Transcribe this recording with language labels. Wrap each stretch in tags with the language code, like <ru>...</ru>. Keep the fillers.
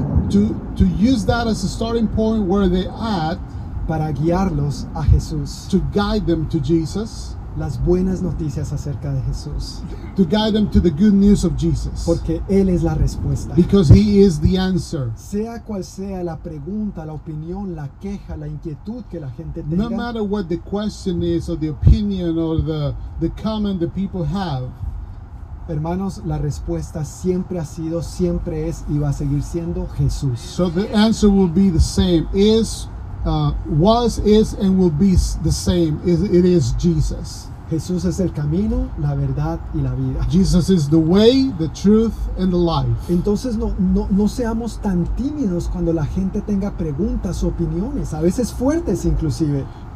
<en>To to use that as a starting point where they at.</en> <es>Para guiarlos a Jesús.</es> <en>To guide them to Jesus.</en> <es>las buenas noticias acerca de Jesús.</es> <en>To guide them to the good news of Jesus.</en> <es>Porque él es la respuesta.</es> <en>Because he is the answer.</en> <es>Sea cual sea la pregunta, la opinión, la queja, la inquietud que la gente no tenga.</es> <en>No matter what the question is or the opinion or the the comment the people have.</en> <es>Hermanos, la respuesta siempre ha sido, siempre es y va a seguir siendo Jesús.</es> <en>So the answer will be the same. Is uh, was, is, and will be the same. Is, it is Jesus.</en> <es>Jesús es el camino, la verdad y la vida.</es> <en>Jesus is the way, the truth and the life.</en> <es>Entonces no, no, no, seamos tan tímidos cuando la gente tenga preguntas, opiniones, a veces fuertes inclusive.</es>